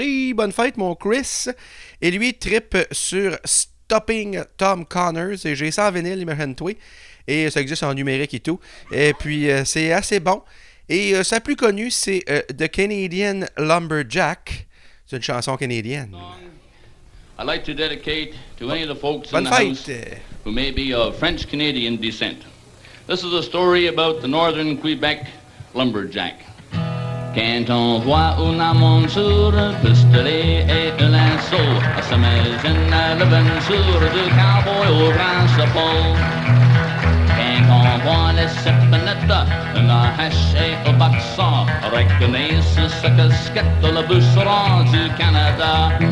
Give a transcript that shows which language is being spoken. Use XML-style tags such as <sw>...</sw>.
<fr>Et bonne fête, mon Chris. Et lui, trippe sur Stopping Tom Connors. Et j'ai ça en vinyle, imagine toi. Et ça existe en numérique et tout. Et puis, c'est assez bon. Et sa plus connue, c'est The Canadian Lumberjack. C'est une chanson canadienne.</fr> <en>I'd like to dedicate to any of the folks in the house who may be of French-Canadian descent. This is a story about the Northern Quebec Lumberjack.</en> <fr>Quand on voit une monture, un pistolet et un lasso, on s'imagine l'aventure du cowboy au grand chapeau. Quand on voit les sepinettes, une hache et un boxeur, reconnaisse sa casquette, le bûcheron du Canada.</fr>